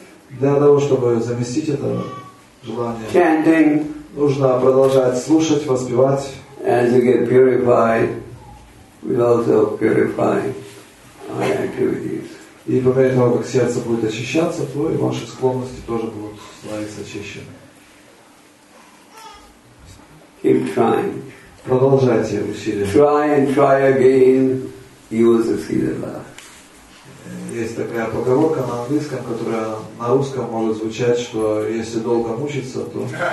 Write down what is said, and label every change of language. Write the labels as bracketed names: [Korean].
[Russian] Для того, чтобы заместить это желание, [English] chanting, [Russian] нужно продолжать слушать, воспевать. [English] As you get purified, we also purify our activities. [Russian] И по мере того, как сердце будет очищаться, то и ваши склонности тоже будут становиться очищены. [English] Keep trying. [Russian] Продолжайте усилия. [English] Try and try again. Use the seed of love. [Russian] Есть такая поговорка на английском, которая на русском может звучать, что если долго мучиться, то...